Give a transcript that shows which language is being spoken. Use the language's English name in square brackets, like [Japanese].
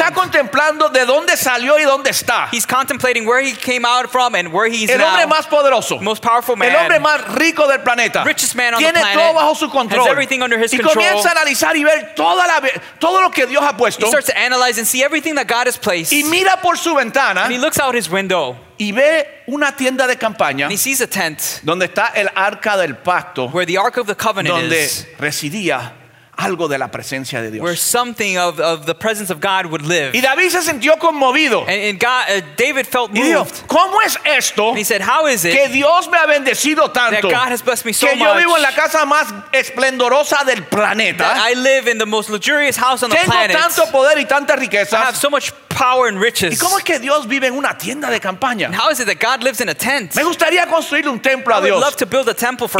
[Spanish] Está contemplando de dónde salió y dónde está. [English] He's contemplating where he came out from and where he's [Spanish] el hombre [English] now. [Spanish] Más poderoso. [English] Most powerful man. [Spanish] El hombre más rico del planeta. [English] Richest man on [Spanish] tiene [English] the planet. [Spanish] Todo bajo su control. [English] Has everything under his [Spanish] y [English] control. [Spanish] Y comienza a analizar y ver toda la todo lo que Dios ha puesto. [English] He starts to analyze and see everything that God has placed. [Spanish] Y mira por su ventana. [English] And he looks out his window. [Spanish] Y ve una tienda de campaña. [English] And he sees a tent. [Spanish] Donde está el arca del pacto. [English] Where the ark of the covenant [Spanish] donde [English] is. [Spanish] Donde residía algo de la presencia de Dios. [English] Where something of the presence of God would live. [Spanish] Y David se sintió conmovido. [English] And God, David felt [Spanish] y [English] moved. [Spanish] Dijo, ¿cómo es esto? [English] And he said, how is it [Spanish] que Dios me ha bendecido tanto? [English] That God has blessed me so [Spanish] que [English] much. [Spanish] Yo vivo en la casa más esplendorosa del planeta. [English] That I live in the most luxurious house on [Spanish] tengo [English] the planet. [Spanish] Tanto poder y tanta riqueza. [English] I have so much power and riches. [Spanish] ¿Y cómo es que Dios vive en una tienda de campaña? [English] And how is it that God lives in a tent? [Spanish] Me gustaría construir un templo a Dios. [English] I would love to build a temple for